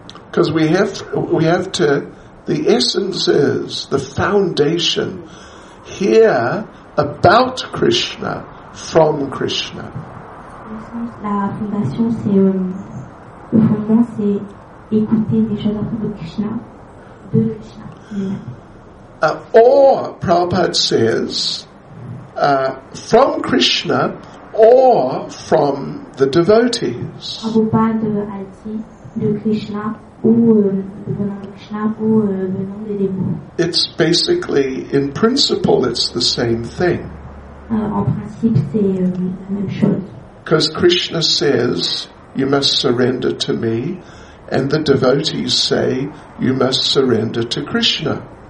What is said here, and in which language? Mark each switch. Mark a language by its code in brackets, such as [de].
[en] Because we have to, the essence is, the foundation, hear about Krishna from Krishna. [fr] La fondation, c'est, le fondement, c'est écouter des choses de Krishna, de Krishna. [en] Or, Prabhupada says, from Krishna or from the devotees. [fr] Prabhupada a dit de Krishna ou de Krishna ou venant des dévots. [en] It's basically, in principle, it's the same thing. [fr] En principe, c'est la même chose. [en] Because Krishna says, you must surrender to me. And the devotees say, you must surrender to Krishna.